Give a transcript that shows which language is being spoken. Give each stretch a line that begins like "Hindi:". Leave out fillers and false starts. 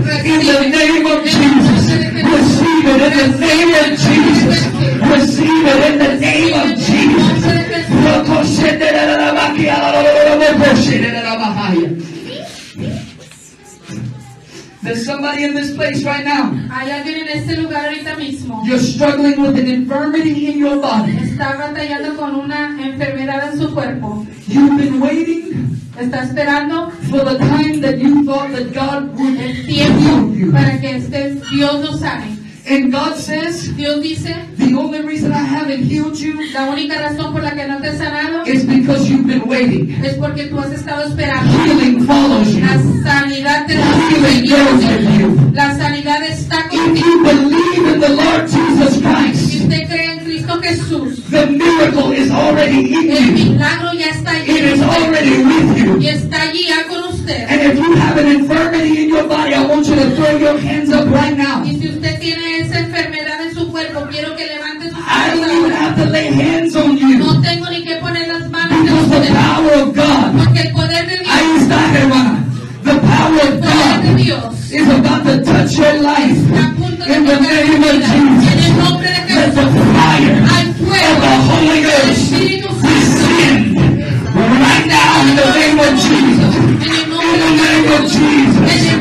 English: In the name of Jesus, receive it. In the name of Jesus, receive it. In the name of Jesus, there's somebody in this place right now.
Spanish: Hay alguien en este lugar ahorita mismo.
English: You're struggling with an infirmity in your body.
Spanish: Está batallando con una enfermedad en su cuerpo.
English: You've been waiting.
Spanish: Está esperando
English: for the time that you thought that God would
Spanish: el tiempo
English: heal you.
Spanish: Para que estés, Dios lo sabe.
English: And God says,
Spanish: Dios dice,
English: the only reason I haven't healed you,
Spanish: la única razón por la que no te he sanado,
English: is because you've been waiting.
Spanish: Es porque tú has estado esperando.
English: Healing follows you.
Spanish: La sanidad te sigue.
English: Goes with you.
Spanish: La sanidad está con
English: if you believe in the Lord Jesus Christ,
Spanish: si usted cree en Cristo Jesús,
English: the miracle is already in you.
Spanish: El milagro ya está allí.
English: It is already with you.
Spanish: Y está allí ya con usted.
English: And if you have an infirmity in your body, I want you to throw your hands up right now.
Spanish: Y si usted tiene esa enfermedad en su cuerpo, quiero que levante sus manos.
English: I don't even have to lay hands on you.
Spanish: No tengo ni que poner las manos.
English: Because the power of God.
Spanish: Porque el poder de Dios. Ahí está, hermana.
English: The power of God is about to touch your life in the name of Jesus. Let the fire of the Holy Ghost descend right now in the name of Jesus. In the name of Jesus.